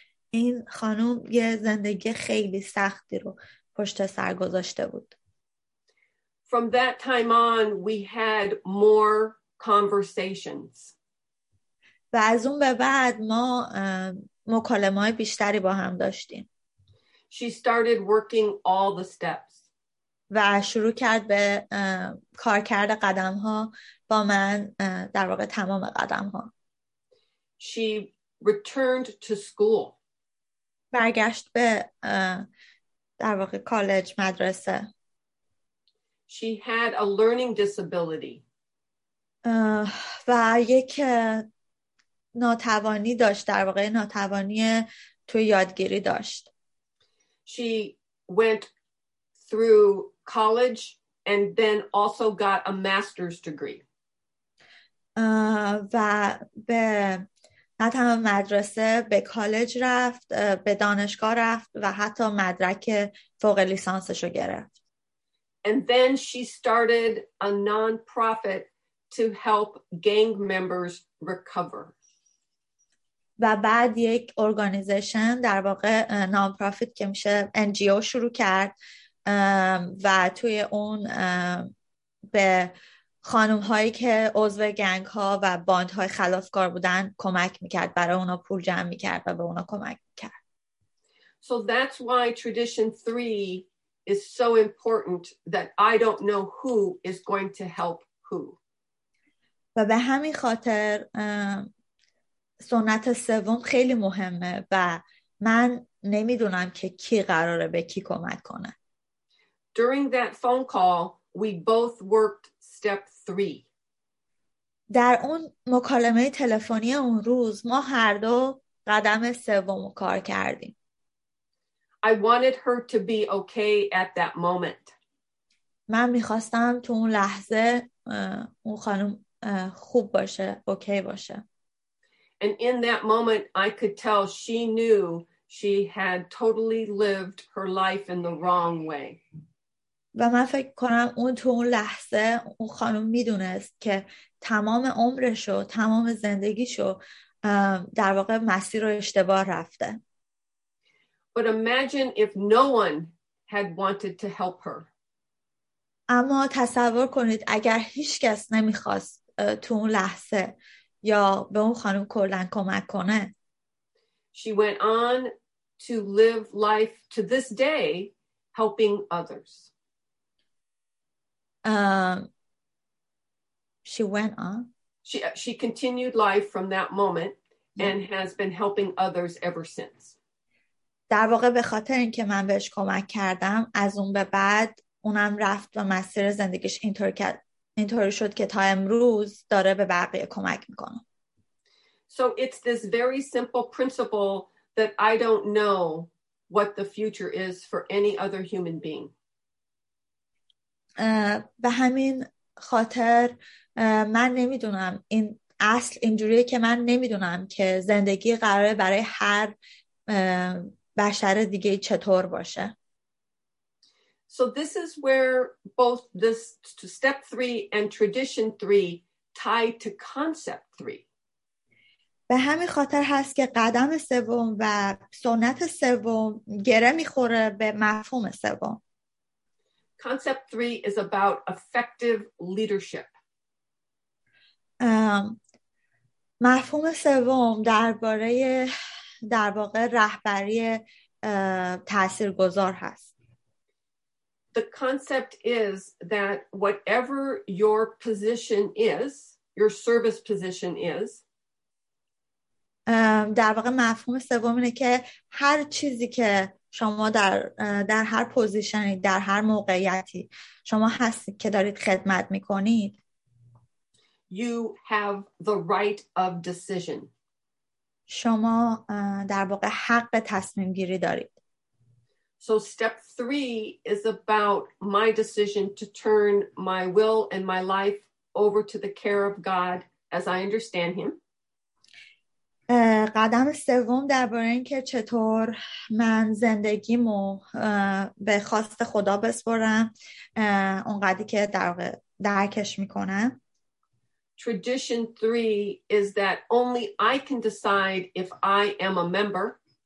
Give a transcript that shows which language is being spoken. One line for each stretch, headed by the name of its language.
Persian: این خانم یه زندگی خیلی سختی رو پشت سر گذاشته بود.
English: From that time on, we had more conversations.
Persian: و از اون به بعد ما مکالمات بیشتری با هم داشتیم.
English: She started working all the steps.
Persian: و شروع کرد به کار کرده قدم ها با من، در واقع تمام قدم ها.
English: She returned to school.
Persian: برگشت به در واقع کالج، مدرسه.
English: She had a learning disability.
Persian: و یک ناتوانی داشت، در واقع ناتوانی توی یادگیری داشت.
English: She went through college and then also got a master's degree.
Persian: و به نه تنها مدرسه، به کالج رفت، به دانشگاه رفت و حتی مدرک فوق لیسانسش رو گرفت.
English: And then she started a non-profit to help gang members recover.
Persian: و بعد یک ارگانیزیشن در واقع نان پروفیت که میشه NGO شروع کرد و توی اون به خانم هایی که عضو گنگ ها و باند های خلافکار بودن کمک میکرد، برای اونا پول جمع میکرد و به اونا کمک میکرد.
English: So that's why tradition 3 is so important that I don't know who is going to help who.
Persian: و به همین خاطر سنت سوم خیلی مهمه و من نمیدونم که کی قراره به کی کمک کنه.
English: During that phone call, we both worked step 3.
Persian: در اون مکالمه تلفنی اون روز ما هر دو قدم سوم رو کار کردیم.
English: I wanted her to be okay at that moment.
Persian: من می‌خواستم تو اون لحظه اون خانم خوب باشه، اوکی باشه.
English: And in that moment I could tell she knew she had totally lived her life in the wrong way.
Persian: و من فکر کنم اون تو اون لحظه اون خانم میدونست که تمام عمرش و تمام زندگیش در واقع مسیر رو اشتباه رفته.
English: But imagine if no one had wanted to help her.
Persian: اما تصور کنید اگر هیچ کس نمیخواست تو اون لحظه یا به اون خانم کلن کمک کنه.
English: She went on to live life to this day helping others. She went on. She continued life from that moment and has been helping others ever since.
Persian: در واقع به خاطر اینکه من بهش کمک کردم از اون به بعد اونم رفت و مسیر زندگیش اینطوری شد که تا امروز داره به بقیه کمک میکنه.
English: So it's this very simple principle that I don't know what the future is for any other human being.
Persian: به همین خاطر من نمیدونم این اصل اینجوریه که من نمیدونم که زندگی قراره برای هر بشر دیگه چطور باشه.
English: So this is where both this step 3 and tradition 3 tie to concept 3.
Persian: به همین خاطر هست که قدم سوم و سنت سوم گره میخوره به مفهوم سوم.
English: Concept 3 is about effective leadership.
Persian: مفهوم سوم درباره در واقع رهبری تاثیرگذار هست.
English: The concept is that whatever your position is, your service position is,
Persian: در واقع مفهوم سوم اینه که هر چیزی که شما در هر پوزیشنی در هر موقعیتی شما هستید که دارید خدمت میکنید،
English: You have the right of decision.
Persian: شما در واقع حق تصمیم گیری دارید.
English: So step 3 is about my decision to turn my will and my life over to the care of God as I understand him.
Persian: قدم سوم درباره این که چطور من زندگیمو به خواست خدا بسپرم اونقدی که در واقع درکش میکنم.
English: Tradition 3 is that only I can decide if I am a member.